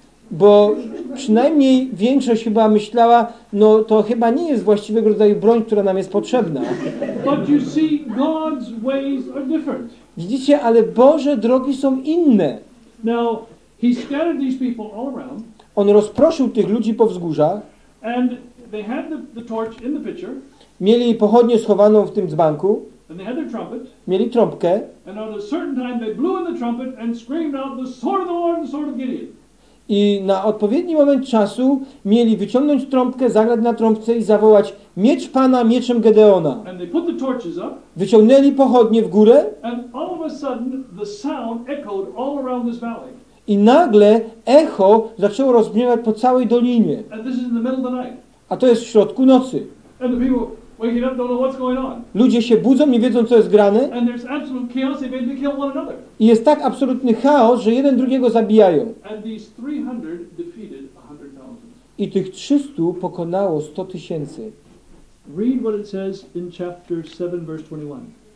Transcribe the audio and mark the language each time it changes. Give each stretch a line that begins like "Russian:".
Polish: Bo przynajmniej większość chyba myślała, no to chyba nie jest właściwego rodzaju broń, która nam jest potrzebna.
English: But you see, God's ways are different.
Polish: Widzicie, ale Boże drogi są inne.
English: Now, he scattered these people all around.
Polish: On rozproszył tych ludzi po wzgórzach.
English: And they had the torch in the pitcher.
Polish: Mieli pochodnię schowaną w tym dzbanku.
English: And they had their trumpet.
Polish: Mieli trąbkę.
English: And at a certain time they blew in the trumpet and screamed out the sword of the Lord and the sword of Gideon.
Polish: I na odpowiedni moment czasu mieli wyciągnąć trąbkę, zagrać na trąbce i zawołać miecz Pana mieczem Gedeona.
English: And they put the torches up.
Polish: Wyciągnęli pochodnie w górę.
English: And all of a sudden the sound echoed all around this valley.
Polish: I nagle echo zaczęło rozbrzmiewać po całej dolinie.
English: And this is in the middle of the night.
Polish: A to jest w środku nocy.
English: And the people waking up don't know what's going on.
Polish: Ludzie się budzą, nie wiedzą, co jest grane.
English: And there's absolute chaos, they begin to kill one another.
Polish: I jest tak absolutny chaos, że jeden drugiego zabijają.
English: And these 300 defeated 100,000.
Polish: I tych 300 pokonało 100 tysięcy.
English: Read what it says in chapter 7, verse 21.